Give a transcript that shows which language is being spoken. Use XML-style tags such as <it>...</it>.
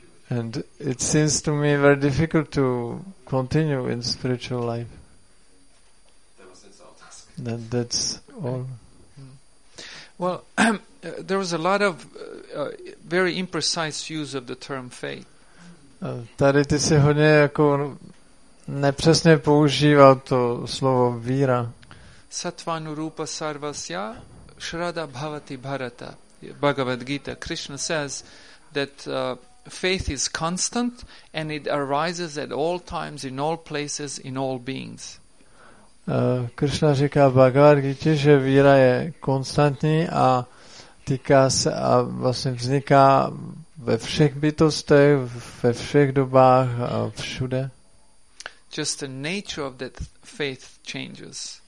<en>And it seems to me very difficult to continue in spiritual life. That's all. Well, there was a lot of very imprecise use of the term faith.</en> <cs>Tady ty si hodně jako nepřesně používal to slovo víra.</cs> <sa>Satvanu rupa sarvasya shraddha bhavati bharata.</sa> <en>Bhagavad Gita, Krishna says that faith is constant and it arises at all times, in all places, in all beings.</en> <cs>Krishna říká v Bhagavad Gita, že víra je konstantní a týká se a vlastně vzniká ve všech bytostech, ve všech dobách a všude.</cs> <en>Just the nature of that faith changes.</en>